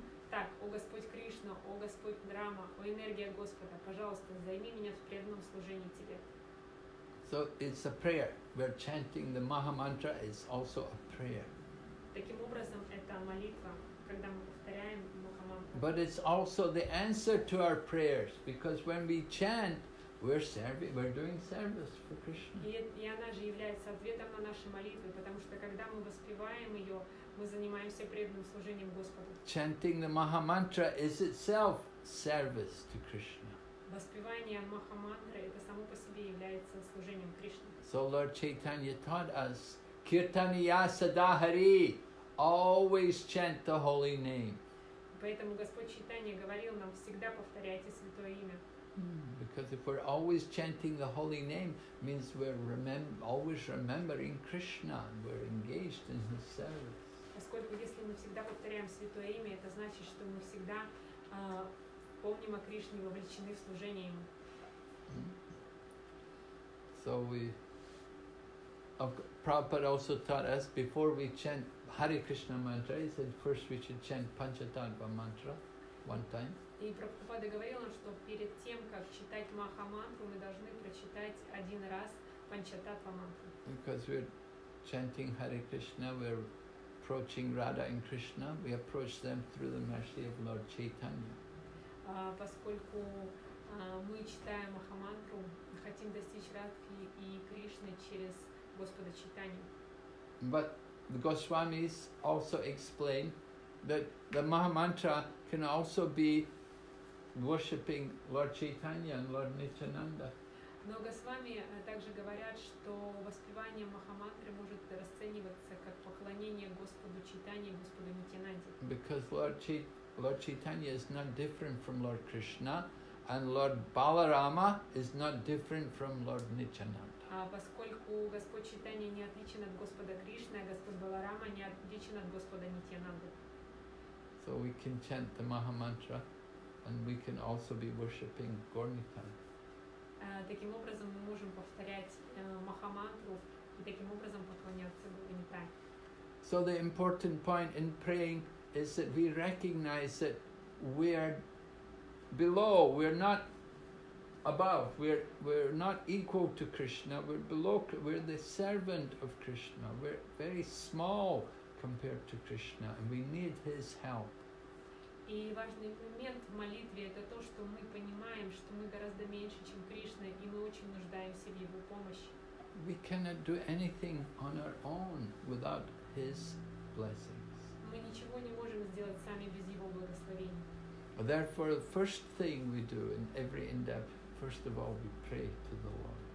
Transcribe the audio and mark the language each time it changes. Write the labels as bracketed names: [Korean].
[Russian] Так, о Господь Кришна, о Господь Рама, о энергия Господа, пожалуйста, займи меня в преданном служении Тебе. [English] So it's a prayer. We're chanting the Maha Mantra. It's also a prayer. [Russian] Таким образом, это молитва, когда мы повторяем Маха Мантру. [English] But it's also the answer to our prayers, because when we chant, we're doing service for Krishna. [Russian] И она же является ответом на наши молитвы, потому что когда мы воспеваем ее, мы занимаемся преданным служением Господу. [English] Chanting the Maha Mantra is itself service to Krishna. [Russian] Воспевание Маха Мантры — это само по себе является служением Кришне. [English] So Lord Chaitanya taught us, Kirtaniya Sadahari, always chant the holy name. [Russian] Поэтому Господь Чайтанья говорил нам, всегда повторяйте святое имя. [English] Because if we're always chanting the holy name, means we're always remembering Krishna, we're engaged in His service. [Russian] Поскольку если мы всегда повторяем святое имя, это значит, что мы всегда помним о Кришне, вовлечены в служение Ему. [English] So we, Prabhupada also taught us, before we chant Hare Krishna mantra, he said first we should chant Panchatantra mantra one time. [Russian] И Прабхупада говорил нам, что перед тем, как читать Маха мантру, мы должны прочитать один раз Панчатантра мантру. [English] Because we're chanting Hare Krishna, we're approaching Radha and Krishna, we approach them through the mercy of Lord Chaitanya. [Russian] Поскольку мы читаем Маха мантру, хотим достичь Радхи и Кришны через Господа Чайтанью. [English] But the Goswamis also explain that the Maha mantra can also be worshipping Lord Chaitanya and Lord Nityananda. [Russian] Но Госвами также говорят, что воспевание Махамантры может расцениваться как поклонение Господу Чайтанье и Господу Нитянанде. [English] Because Lord Chaitanya is not different from Lord Krishna, and Lord Balarama is not different from Lord Nityananda. [Russian] А поскольку Господь Чайтанья не отличен от Господа Кришны, а Господь Баларама не отличен от Господа Нитянанды. [English] So we can chant the Maha Mantra, and we can also be worshipping Gornitana. [Russian] Таким образом мы можем повторять Махамантру и таким образом поклоняться Гуринитай. [English] So the important point in praying is that we recognize that we are below, we are not above, we're not equal to Krishna, we're below, we're the servant of Krishna, we're very small compared to Krishna and we need His help. [Russian] И важный момент в молитве — это то, что мы понимаем, что мы гораздо меньше, чем Кришна, и мы очень нуждаемся в Его помощи. [English] We cannot do anything on our own without His blessings. [Russian] Мы ничего не можем сделать сами без Его благословения. [English] Therefore, the first thing we do in every endeavor, first of all, we pray to the Lord.